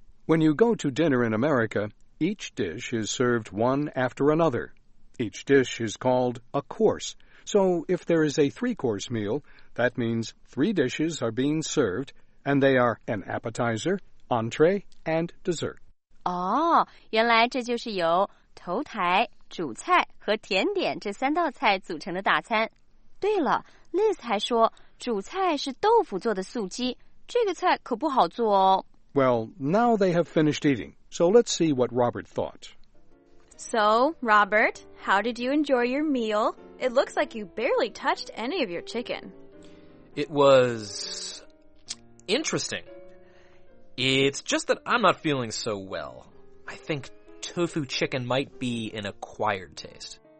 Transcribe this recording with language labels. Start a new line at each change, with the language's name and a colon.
English: When you go to dinner in America, each dish is served one after another. Each dish is called a course. So if there is a 3-course meal, that means 3 dishes are being served, and they are an appetizer, entree, and dessert.
Chinese: 哦，原来这就是由头台、主菜和甜点这三道菜组成的大餐。对了 ，Liz 还说主菜是豆腐做的素鸡，这个菜可不好做哦。
English: Well, now they have finished eating, so let's see what Robert thought. So, Robert, how did you enjoy your meal? It looks like you barely touched any of your chicken. It was interesting. It's just that I'm not feeling so well. I think tofu chicken might be an acquired taste.